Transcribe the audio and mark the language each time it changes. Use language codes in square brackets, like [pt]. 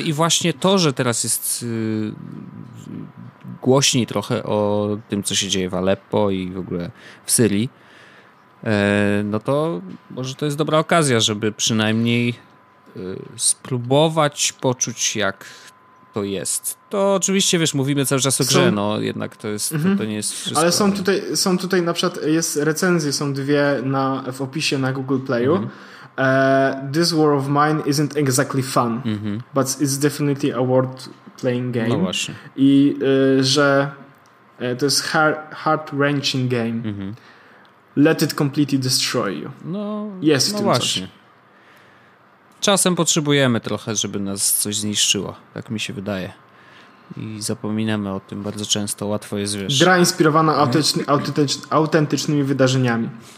[pl] I właśnie to, że teraz jest głośniej trochę o tym, co się dzieje w Aleppo i w ogóle w Syrii, no to może to jest dobra okazja, żeby przynajmniej spróbować poczuć, jak to jest. To oczywiście, wiesz, mówimy cały czas o grze, no jednak to jest, mhm. to nie jest wszystko. Ale są tutaj, na przykład jest recenzje, są dwie w opisie na Google Playu. Mhm. [en] This War of Mine isn't exactly fun, mhm. but it's definitely a worth playing game. [pl] No właśnie. I że to jest [en] heart-wrenching game. [pl] Mhm. [en] Let it completely destroy you. [pl] No, jest w no tym właśnie. Coś. Czasem potrzebujemy trochę, żeby nas coś zniszczyło, tak mi się wydaje. I zapominamy o tym bardzo często, łatwo jest, wiesz. Gra inspirowana autentycznymi wydarzeniami.